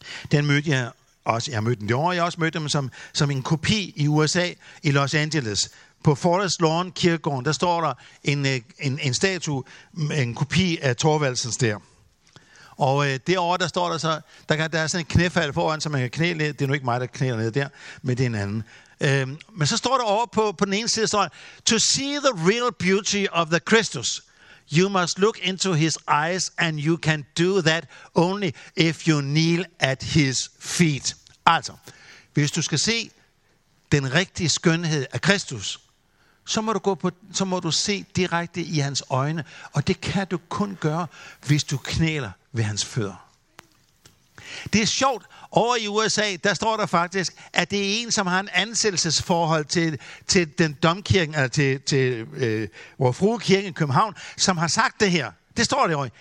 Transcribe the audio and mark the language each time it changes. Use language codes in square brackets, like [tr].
[da] Den mødte jeg også. Jeg mødte den det år, jeg også mødte dem som en kopi i USA, i Los Angeles. På Forest Lawn Kirkegården, der står der en statue, en kopi af Thorvaldsens der. Og derovre, der står der så, der er sådan et knæfald foran, så man kan knæle ned. Det er nu ikke mig, der knæler ned der, men det er en anden. Men så står der over på den ene side, der står, [en] to see the real beauty of the Christus, you must look into his eyes, and you can do that only if you kneel at his feet. [da] Altså, hvis du skal se den rigtige skønhed af Kristus, så må du se direkte i hans øjne, og det kan du kun gøre, hvis du knæler ved hans fødder. Det er sjovt, over i USA, der står der faktisk, at det er en, som har en ansættelsesforhold til den domkirken, eller til vores fruekirken i København, som har sagt det her. Det står der jo.